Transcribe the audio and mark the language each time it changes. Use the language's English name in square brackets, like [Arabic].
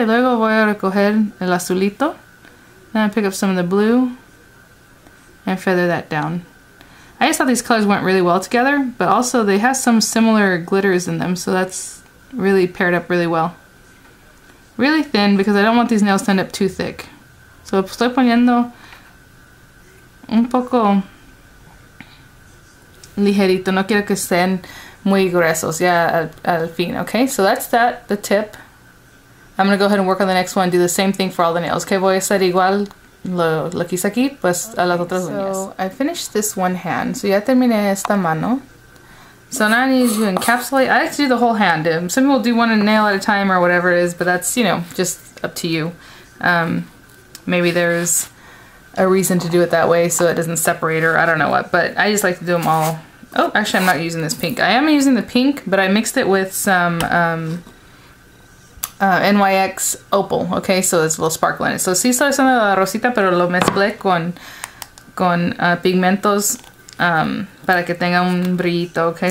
[Spanish] Y luego voy a recoger el azulito. [English] Then I pick up some of the blue and feather that down. I just thought these colors went really well together, but also they have some similar glitters in them, so that's really paired up really well. Really thin because I don't want these nails to end up too thick. [Spanish] So estoy poniendo un poco ligerito, no quiero que estén muy gruesos, ya al fin, okay? [English] So that's that, the tip. I'm gonna go ahead and work on the next one, do the same thing for all the nails, okay? [Spanish] Voy a hacer igual lo que hice aquí, pues a las otras uñas. [English] So I finished this one hand, so [Spanish] ya terminé esta mano. [English] So now I need to encapsulate. I like to do the whole hand. Some people do one nail at a time or whatever it is, but that's, you know, just up to you. Maybe there's a reason to do it that way so it doesn't separate or I don't know what, but I just like to do them all. Oh, actually I'm not using this pink. I am using the pink, but I mixed it with some NYX opal, okay? So it's a little sparkle in it. [Spanish] So sí estoy usando la rosita, pero lo mezclé con pigmentos para que tenga un brillito, okay?